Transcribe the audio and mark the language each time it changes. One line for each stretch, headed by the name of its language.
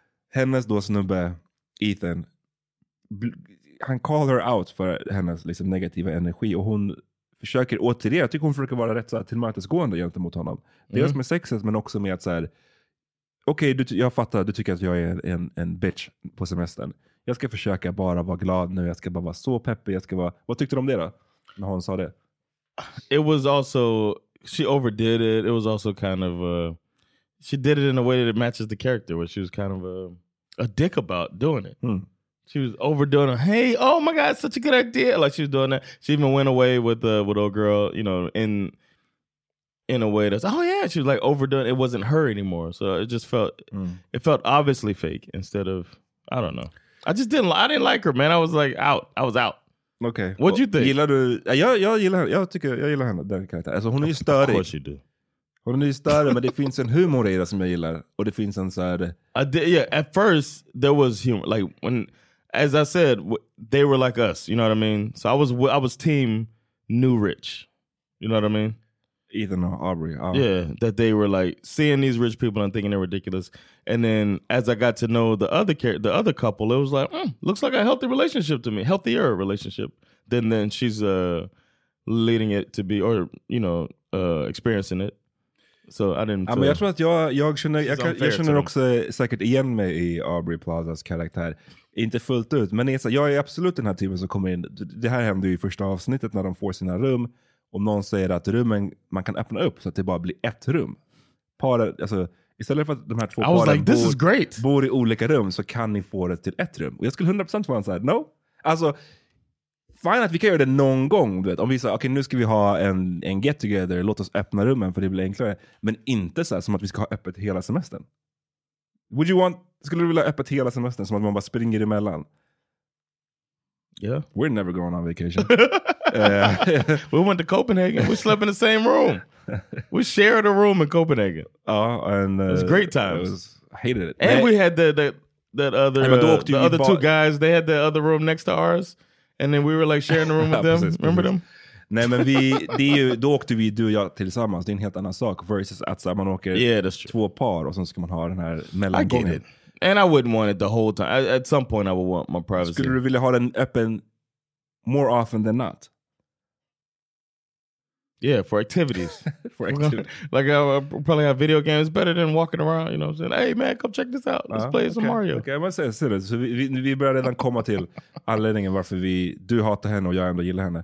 Swedish: Hennes då snubbe Ethan, han
English: call her out
Swedish: för hennes liksom negativa energi, och hon försöker återigen, jag tycker hon försöker vara rätt så här tillmötesgående gentemot honom. Det är med sexet, men också med att så här, okej, jag fattar, du tycker att jag är en bitch på semestern. Jag ska försöka bara vara glad nu, jag ska bara vara så peppig, jag ska vara... Vad tyckte du om det då, när hon sa det?
English: It was also, she overdid it, it was also kind of, she did it in a way that it matches the character, where she was kind of a dick about doing it. Mm. She was overdoing it, hey, oh my god, such a good idea, like she was doing that. She even went away with old girl, you know, in a way that's, oh yeah, she was like overdone, it wasn't her anymore, so it just felt it felt obviously fake instead of, I don't know, I didn't like her, man. I was like out, I was out. Okay, what'd you think?
Swedish: Gillar du, jag gillar henne, den karaktären. Alltså, hon är ju störig.
English: Of course you do.
Swedish: Hon är ju störig, men det finns en humor i det som jag gillar, och det finns en så här...
English: At first there was humor, like when, as I said, they were like us, you know what I mean, so I was team new rich, you know what I mean, Ethan or Aubrey. Yeah, that they were like seeing these rich people and thinking they're ridiculous. And then as I got to know the other couple, it was like, looks like a healthy relationship to me. Healthier relationship than she's leading it to be, or, you know, experiencing it. So I didn't feel...
Swedish: Jag tror att jag känner också säkert igen mig i Aubrey Plazas karaktär. Inte fullt ut, men jag är absolut den här typen som kommer in. Det här hände ju i första avsnittet när de får sina rum. Om någon säger att rummen, man kan öppna upp så att det bara blir ett rum. Paret, alltså, istället för att de här två paren bor i olika rum, så kan ni få det till ett rum. Och jag skulle 100% vara såhär,
English: no.
Swedish: Alltså, fine att vi kan göra det någon gång. Du vet. Om vi säger, okej, nu ska vi ha en get together, låt oss öppna rummen för det blir enklare. Men inte så här, som att vi ska ha öppet hela semestern.
English: Would you want,
Swedish: skulle du vilja ha öppet hela semestern, som att man bara springer emellan?
English: Yeah. We're never going on vacation. We went to Copenhagen. We slept in the same room. We shared a room in Copenhagen. And it was great times. I hated it. And we had the other two guys, they had the other room next to ours. And then we were like sharing a room with them.
Swedish: Precis,
English: remember them?
Swedish: Nej, men då åkte vi, du och jag tillsammans. Det är en helt annan sak. Versus att så man åker två par och sen ska man ha den här mellangången.
English: I get it. And I wouldn't want it the whole time. At some point I would want my privacy.
Swedish: Skulle du vilja ha den öppen
English: more often than not? Yeah, for activities. For activities. Like, I probably have video games better than walking around, you know what I'm saying? Hey, man, come check this out. Let's play some Mario. Okay, I'm going to say this.
Swedish: So vi börjar redan komma till anledningen varför du hatar henne och jag ändå gillar henne.